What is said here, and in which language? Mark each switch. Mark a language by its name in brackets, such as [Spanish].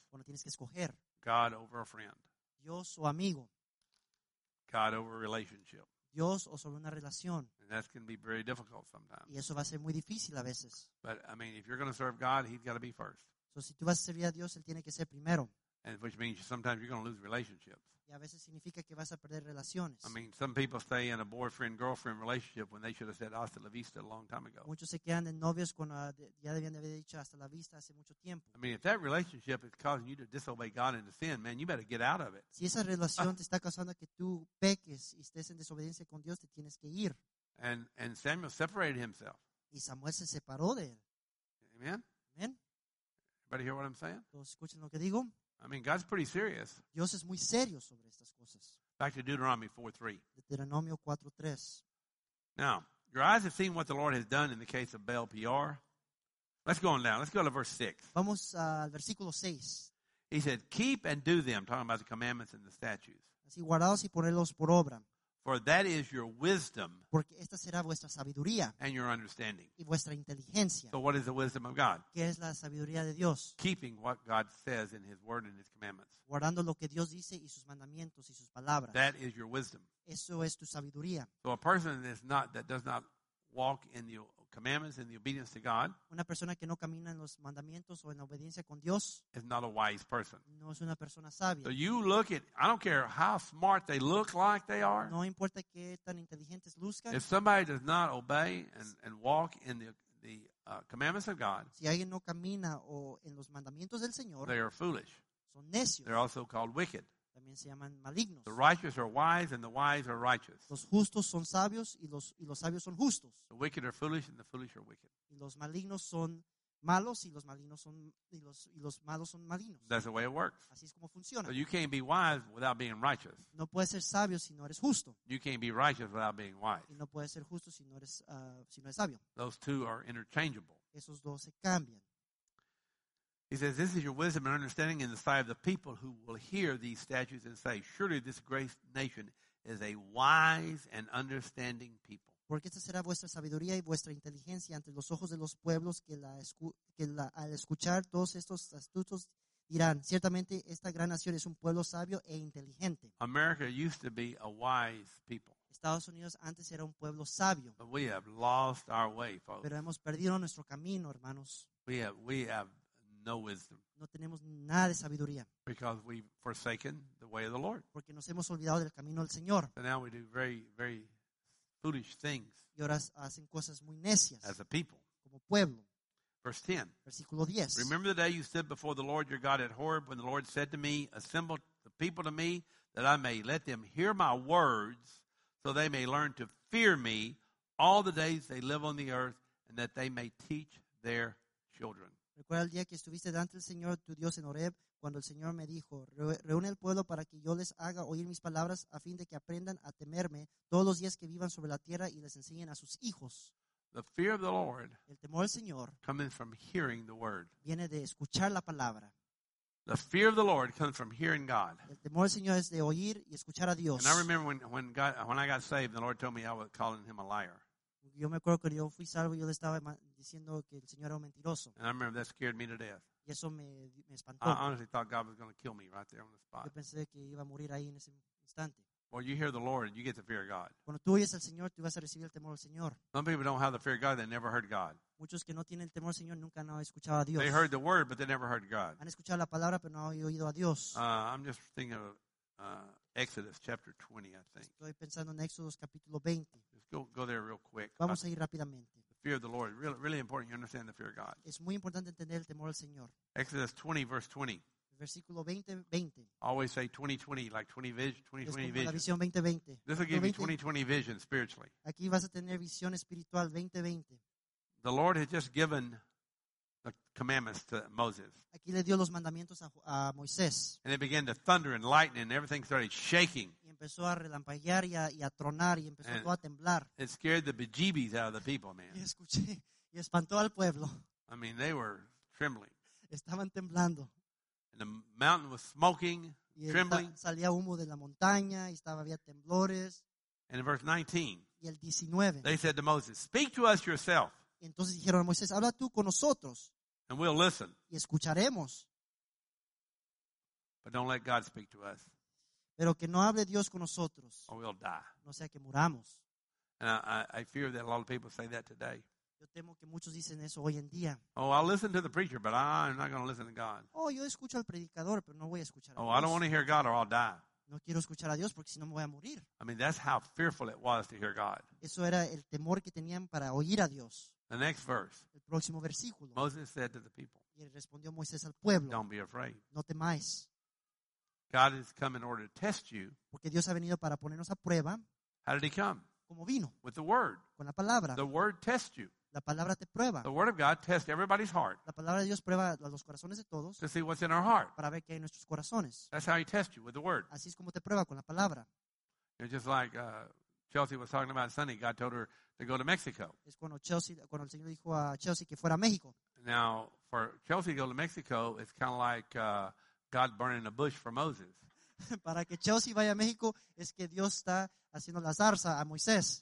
[Spanish] Cuando tienes que escoger. [English] God over a friend. [Spanish] Dios o amigo. [English] God over a relationship. [Spanish] Dios o sobre una relación. [English] And that can be very difficult sometimes. [Spanish] Y eso va a ser muy difícil a veces. [English] But I mean, if you're going to serve God, he's got to be first. [Spanish] So si tú vas a servir a Dios, él tiene que ser primero. [English] And which means sometimes you're going to lose relationships. [Spanish] Y a veces significa que vas a perder relaciones. [English] I mean, some people stay in a boyfriend-girlfriend relationship when they should have said [Spanish] hasta la vista [English] a long time ago. [Spanish] Muchos se quedan en novios cuando ya debían haber dicho hasta la vista hace mucho tiempo. [English] I mean, if that relationship is causing you to disobey God and to sin, man, you better get out of it. [Spanish] Si esa relación te está causando que tú peques y estés en desobediencia con Dios, te tienes que ir. [English] And Samuel separated himself. [Spanish] Y Samuel se separó de él. Amen? Amen. [English] Everybody hear what I'm saying? [Spanish] ¿Todos escuchan lo que digo? [English] I mean, God's pretty serious. [Spanish] Dios es muy serio sobre estas cosas. [English] Back to Deuteronomy 4:3. [Spanish] Deuteronomio 4:3. [English] Now, your eyes have seen what the Lord has done in the case of Baal Peor. Let's go on now. Let's go to verse 6. [Spanish] Vamos al versículo 6. [English] He said, keep and do them, talking about the commandments and the statutes. [Spanish] Así, guardados y ponerlos por obra. [English] For that is your wisdom. [Spanish] Porque esta será vuestra sabiduría. [English] And your understanding. [Spanish] Y vuestra inteligencia. [English] So what is the wisdom of God? [Spanish] ¿Qué es la sabiduría de Dios? [English] Keeping what God says in his word and his commandments. [Spanish] Guardando lo que Dios dice y sus mandamientos y sus palabras. [English] That is your wisdom. [Spanish] Eso es tu sabiduría. [English] So a person that is not, that does not walk in the commandments and the obedience to God. [Spanish] Una persona que no camina en los mandamientos o en la obediencia con Dios. [English] Is not a wise person. [Spanish] No es una persona sabia. [English] So you look at, I don't care how smart they look like they are. [Spanish] No importa qué tan inteligentes luzcan. [English] If somebody does not obey and walk in the commandments of God. [Spanish] Si alguien no camina o en los mandamientos del Señor. [English] They are foolish. [Spanish] Son necios. [English] They're also called wicked. [Spanish] También se llaman malignos. [English] The righteous are wise and the wise are righteous. [Spanish] Los justos son sabios y los sabios son justos. [English] The wicked are foolish and the foolish are wicked. [Spanish] Y los malignos son malos y los malignos son y los malos son malignos. [English] That's the way it works. [Spanish] Así es como funciona. [English] So you can't be wise without being righteous. [Spanish] No puedes ser sabio si no eres justo. [English] You can't be righteous without being wise. [Spanish] Y no puedes ser justo si no eres sabio. [English] Those two are interchangeable. [Spanish] Esos dos se cambian. [English] He says, this is your wisdom and understanding in the sight of the people who will hear these statutes and say, surely this great nation is a wise and understanding people. [Spanish] Porque esta será vuestra sabiduría y vuestra inteligencia ante los ojos de los pueblos que al escuchar todos estos astutos dirán, ciertamente esta gran nación es un pueblo sabio e inteligente. [English] America used to be a wise people. [Spanish] Estados Unidos antes era un pueblo sabio. [English] But we have lost our way, folks. [Spanish] Pero hemos perdido nuestro camino, hermanos. [English] We have no wisdom. [Spanish] No tenemos nada de sabiduría. [English] Because we've forsaken the way of the Lord. [Spanish] Porque nos hemos olvidado del camino del Señor. [English] And now we do very, very foolish things. [Spanish] Y ahora hacen cosas muy necias. [English] As a people. [Spanish] Como pueblo. [English] Verse 10. [Spanish] Versículo 10. [English] Remember the day you stood before the Lord your God at Horeb when the Lord said to me, assemble the people to me that I may let them hear my words so they may learn to fear me all the days they live on the earth and that they may teach their children. [Spanish] Recuerda el día que estuviste delante del Señor, tu Dios, en Horeb, cuando el Señor me dijo, reúne al pueblo para que yo les haga oír mis palabras a fin de que aprendan a temerme todos los días que vivan sobre la tierra y les enseñen a sus hijos. [English] The fear of the Lord, [Spanish] el temor del Señor, [English] comes from hearing the word. [Spanish] Viene de escuchar la palabra. [English] The fear of the Lord comes from hearing God. [Spanish] El temor del Señor es de oír y escuchar a Dios. [English] And I remember when I got saved, the Lord told me I was calling him a liar. [Spanish] Yo me acuerdo que yo fui salvo y yo le estaba diciendo que el Señor era un mentiroso. [English] And I remember that scared me to death. [Spanish] Y eso me espantó. [English] I honestly thought God was going to kill me right there on the spot. [Spanish] Yo pensé que iba a morir ahí en ese instante. [English] Well, you hear the Lord and you get the fear of God. [Spanish] Cuando tú oyes al Señor, tú vas a recibir el temor del Señor. [English] Some people don't have the fear of God, they never heard God. [Spanish] Muchos que no tienen el temor del Señor nunca han escuchado a Dios. [English] They heard the word, but they never heard God. [Spanish] Han escuchado la palabra, pero no han oído a Dios. [English] I'm just thinking of Exodus chapter 20, I think. [Spanish] Estoy pensando en Éxodos capítulo 20. [English] Let's go there real quick. [Spanish] Vamos a ir rápidamente. [English] The fear of the Lord. Really, really important you understand the fear of God. [Spanish] Es muy importante entender el temor al Señor. [English] Exodus 20, verse 20. [Spanish] Versículo 20. [English] Always say 2020, like 20 vision, 2020 [Spanish] vision. Es como la visión 2020. [English] This will give you 2020 vision spiritually. [Spanish] Aquí vas a tener visión espiritual 2020. [English] The Lord has just given the commandments to Moses. [Spanish] Aquí le dio los mandamientos a Moisés. [English] And it began to thunder and lightning, and everything started shaking. [Spanish] Y empezó a relampaguear y a tronar y empezó todo a temblar. [English] It scared the bejeebies out of the people, man. [Spanish] Y escuché y espantó al pueblo. [English] I mean, they were trembling. [Spanish] Estaban temblando. [English] And the mountain was smoking, [Spanish] y [English] trembling. [Spanish] Salía humo de la montaña y estaba había temblores. [English] And in verse 19, [Spanish] y el 19, [English] they said to Moses, "Speak to us yourself." [Spanish] Entonces dijeron a Moisés, habla tú con nosotros. [English] And we'll listen. [Spanish] Y escucharemos. [English] But don't let God speak to us. [Spanish] Pero que no hable Dios con nosotros. [English] Or we'll die. [Spanish] No sea que muramos. [English] And I fear that a lot of people say that today. [Spanish] Yo temo que muchos dicen eso hoy en día. [English] Oh, I'll listen to the preacher, but I'm not going to listen to God. [Spanish] Oh, yo escucho al predicador, pero no voy a escuchar a Dios. [English] Oh, I don't want to hear God or I'll die. [Spanish] No quiero escuchar a Dios porque si no me voy a morir. [English] I mean, that's how fearful it was to hear God. [Spanish] Eso era el temor que tenían para oír a Dios. [English] The next verse. [Spanish] El próximo versículo. [English] Moses said to the people. [Spanish] Y respondió Moisés al pueblo. [English] Don't be afraid. [Spanish] No temáis. [English] God has come in order to test you. [Spanish] Porque Dios ha venido para ponernos a prueba. [English] How did he come? [Spanish] Como vino. [English] With the word. [Spanish] Con la palabra. [English] The word tests you. [Spanish] La palabra te prueba. [English] The word of God tests everybody's heart. [Spanish] La palabra de Dios prueba a los corazones de todos. [English] To see what's in our heart. [Spanish] Para ver qué hay en nuestros corazones. [English] That's how he tests you, with the word. [Spanish] Así es como te prueba con la palabra. [English] And just like Chelsea was talking about Sunday, God told her to go to Mexico. [Spanish] Es cuando Chelsea, cuando el Señor dijo a Chelsea que fuera a México. [English] Now, for Chelsea to go to Mexico, it's kind of like God burning a bush for Moses. [Spanish] Para que Chelsea vaya a México, es que Dios está haciendo la zarza a Moisés.